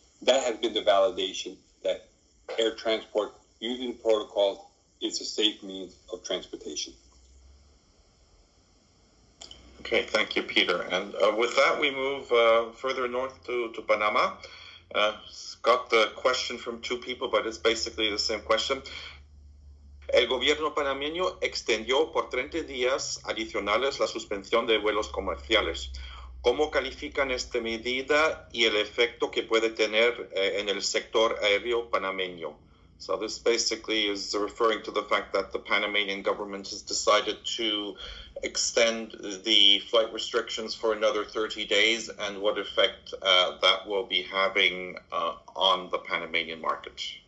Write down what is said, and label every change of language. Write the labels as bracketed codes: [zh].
[en] That has been the validation that air transport using the protocol is a safe means of transportation. Okay, thank you, Peter. And with that, we move further north to Panama. Got the question from two people, but it's basically the same question. [es] El gobierno panameño extendió por 30 días adicionales la suspensión de vuelos comerciales. ¿Cómo califican esta medida y el efecto que puede tener en el sector aéreo panameño? [en] So this basically is referring to the fact that the Panamanian government has decided to extend the flight restrictions for another 30 days and what effect that will be having on the Panamanian market.